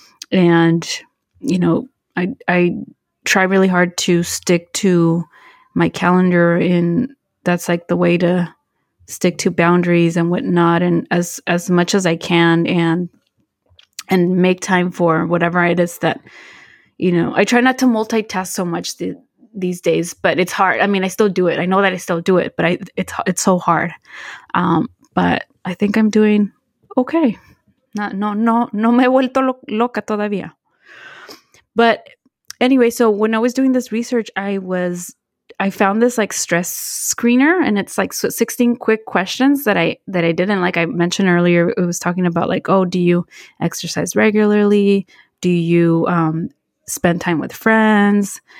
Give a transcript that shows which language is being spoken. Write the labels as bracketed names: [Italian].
[English] And, you know, I try really hard to stick to my calendar, and that's, like, the way to stick to boundaries and whatnot, and as much as I can, and make time for whatever it is that, you know, I try not to multitask so much these days, but it's hard. I mean, I still do it. I know that I still do it, but it's so hard. But I think I'm doing okay. [Spanish] No me he vuelto loca todavía. [English] But anyway, so when I was doing this research, I found this, like, stress screener, and it's like 16 quick questions that I did. And like I mentioned earlier, it was talking about, like, oh, do you exercise regularly? Do you spend time with friends?